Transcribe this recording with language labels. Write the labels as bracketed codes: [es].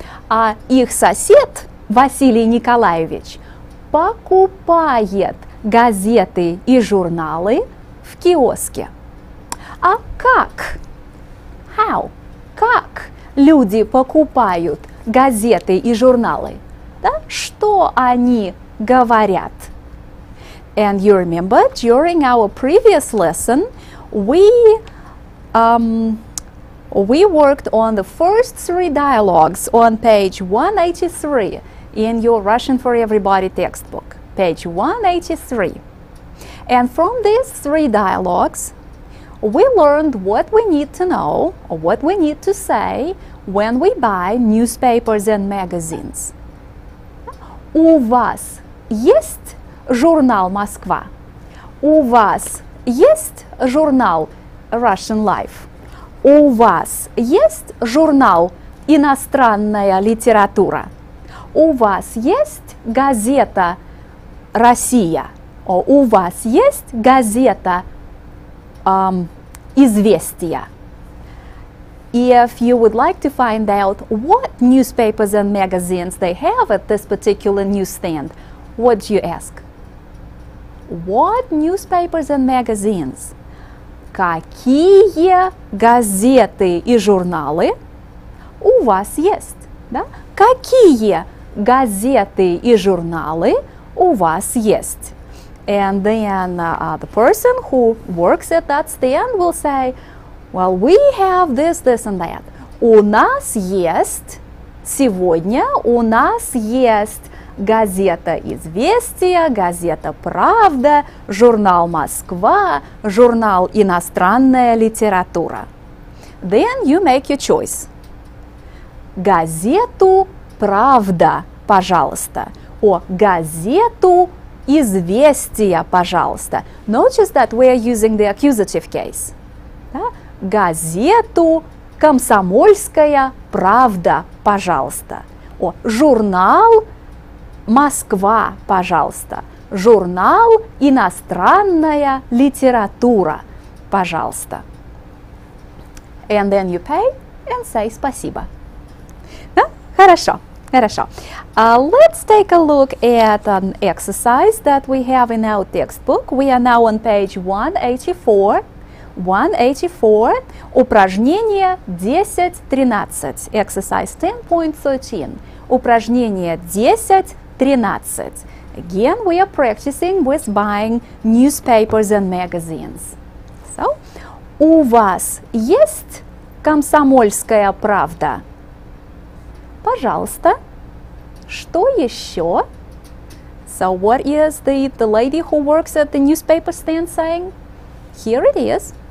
[ru] А их сосед Василий Николаевич покупает газеты и журналы в киоске. А как? [en] How? [ru] Как люди покупают газеты и журналы? Да? Что они говорят? [en] And you remember, during our previous lesson, we worked on the first three dialogues on page 183 in your Russian for Everybody textbook. Page 183. And from these three dialogues, we learned what we need to know, or what we need to say when we buy newspapers and magazines. [ru] У вас есть журнал Москва? У вас есть журнал Russian Life? У вас есть журнал Иностранная литература? У вас есть газета Россия. О, у вас есть газета Известия. [en] If you would like to find out what newspapers and magazines they have at this particular newsstand, what do you ask? What newspapers and magazines? [ru] Какие газеты и журналы у вас есть? Да? Какие газеты и журналы у вас есть? [en] And then the person who works at that stand will say, well, we have this, this and that. [ru] У нас есть, сегодня у нас есть газета «Известия», газета «Правда», журнал «Москва», журнал «Иностранная литература». [en] Then you make your choice. [ru] Газету «Правда», пожалуйста. О, газету «Известия», пожалуйста. [en] Notice that we are using the accusative case. [ru] Да? Газету «Комсомольская правда», пожалуйста. О, журнал «Москва», пожалуйста. Журнал «Иностранная литература», пожалуйста. [en] And then you pay and say [ru] спасибо. Да? Хорошо. Хорошо. [en] Let's take a look at an exercise that we have in our textbook. We are now on page 184. 184. [ru] Упражнение 10.13. [en] Exercise 10.13. [ru] Упражнение 10.13. [en] Again, we are practicing with buying newspapers and magazines. So, [ru] у вас есть «Комсомольская правда»? Пожалуйста. Что еще? [en] So what is the lady who works at the newspaper stand saying? Here it is.